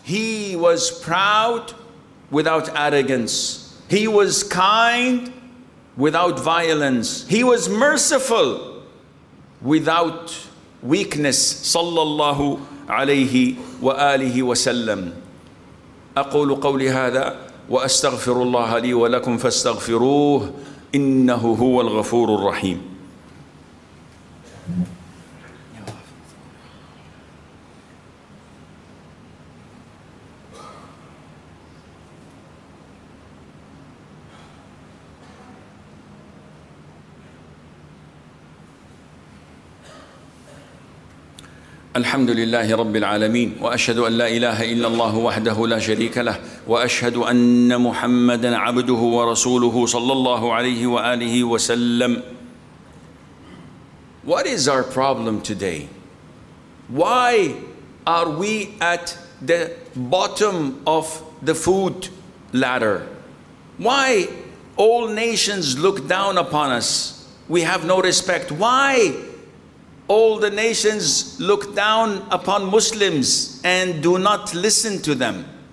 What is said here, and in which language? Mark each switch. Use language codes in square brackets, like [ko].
[en] He was proud without arrogance. He was kind without violence. He was merciful without weakness, sallallahu alayhi wa alihi wa sallam. [ar] أقول قولي هذا وأستغفر الله لي ولكم فاستغفروه إنه هو الغفور الرحيم. الحمد لله رب العالمين وأشهد أن لا إله إلا الله وحده لا شريك له وأشهد أن محمدا عبده ورسوله صلى الله عليه وآله وسلم. [en] What is our problem today? Why are we at the bottom of the food ladder? Why all nations look down upon us? We have no respect. Why all the nations look down upon Muslims and do not listen to them?